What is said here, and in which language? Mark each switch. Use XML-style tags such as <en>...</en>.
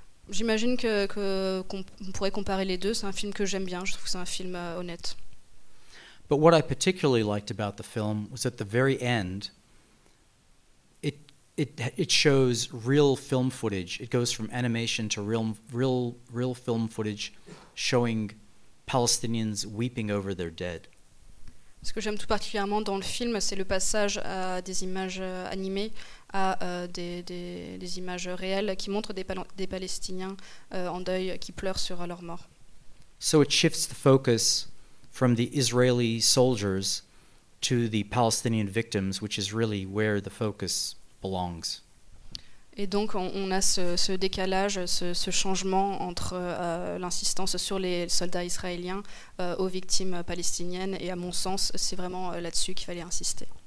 <fr>J'imagine qu'on pourrait comparer les deux. C'est un film que j'aime bien. Je trouve que c'est un film honnête.</fr> <en>But what I particularly liked about the film was at the very end, it shows real film footage. It goes from animation to real film footage, showing Palestinians weeping over their dead.</en> <fr>Ce que j'aime tout particulièrement dans le film, c'est le passage à des images animées à des images réelles qui montrent des Palestiniens en deuil qui pleurent sur leur mort.</fr> <en>So it shifts the focus from the Israeli soldiers to the Palestinian victims, which is really where the focus belongs.</en> <fr>Et donc on a ce décalage, ce changement entre l'insistance sur les soldats israéliens aux victimes palestiniennes, et à mon sens c'est vraiment là-dessus qu'il fallait insister.</fr>